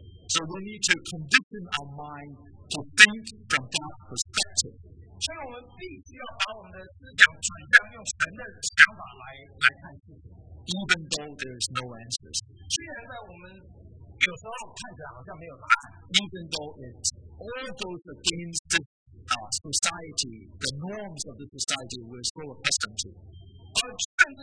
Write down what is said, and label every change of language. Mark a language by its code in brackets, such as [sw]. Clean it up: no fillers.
[en] So we need to condition our mind to think from that perspective. [zh] 所以我们必须要把我们的思想转向用神的想法来看事情。 [en] Even though there is no answers. [zh] 虽然在我们有时候看起来好像没有答案。 [en] Even though it's all goes against the society, the norms of the society we're so accustomed to.